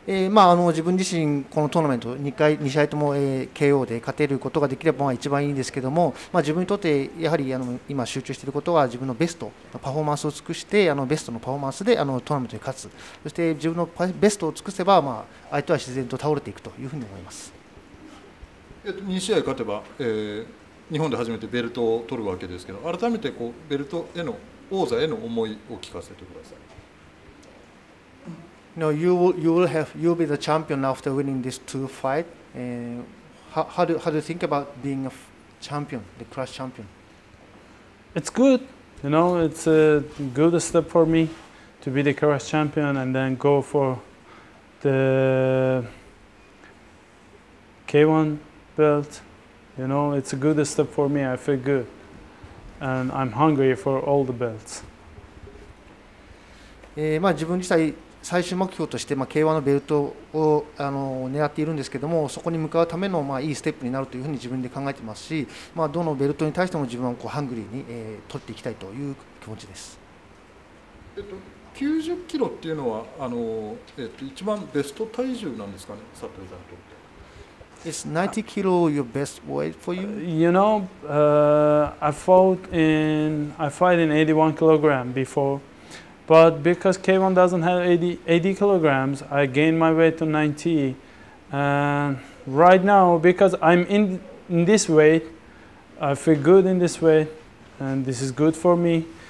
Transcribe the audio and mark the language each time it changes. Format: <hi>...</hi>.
<ja>まあ、自分自身このトーナメント2試合とも、KO で勝てることができれば一番いいんですけども、まあ、自分にとってやはり今集中していることは自分のベスト、パフォーマンスを尽くしてベストのパフォーマンスでトーナメントに勝つ、そして自分のベストを尽くせば、まあ、相手は自然と倒れていくというふうに思います。 2試合勝てば、日本で初めてベルトを取るわけですけど、改めてこうベルトへの王座への思いを聞かせてください。</ja> <en>No, you will be the champion after winning these two fight. How do you think about being a champion, the crush champion? It's good. You know, it's a good step for me to be the crush champion and then go for the K1 belt. You know, it's a good step for me. I feel good. And I'm hungry for all the belts.</en> <ja>まあ自分自体最終目標として、まあ、K-1 のベルトを狙っているんですけども、そこに向かうための、まあ、いいステップになるというふうに自分で考えてますし、まあ、どのベルトに対しても自分はこうハングリーに、取っていきたいという気持ちです。 90キロっていうのは一番ベスト体重なんですかね、サトルさんと。</ja> <en>Is 90 kilo your best weight for you? You know, I fought in 81 kilogram before, but because K1 doesn't have 80 kilograms, I gained my weight to 90. And right now, because I'm in this weight, I feel good in this weight, and this is good for me.</en>